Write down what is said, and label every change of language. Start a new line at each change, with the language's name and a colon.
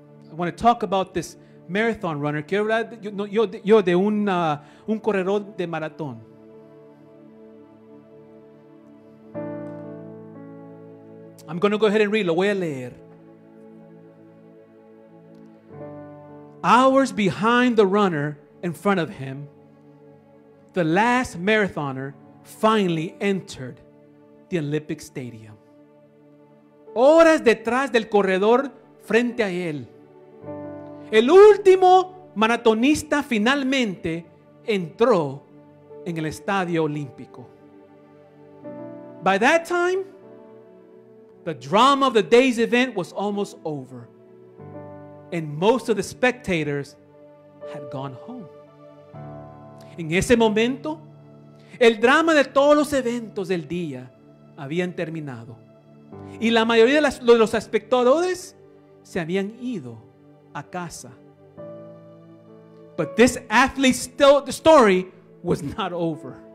English: I want to talk about this marathon runner.
Spanish: Quiero hablar yo de un corredor de maratón.
English: I'm going to go ahead and read.
Spanish: Lo voy a leer.
English: Hours behind the runner in front of him, the last marathoner finally entered the Olympic Stadium.
Spanish: Horas detrás del corredor frente a él. El último maratonista finalmente entró en el estadio olímpico.
English: By that time, the drama of the day's event was almost over, and most of the spectators had gone home.
Spanish: En ese momento, el drama de todos los eventos del día habían terminado, y la mayoría de los espectadores se habían ido a casa.
English: But this athlete's story was not over.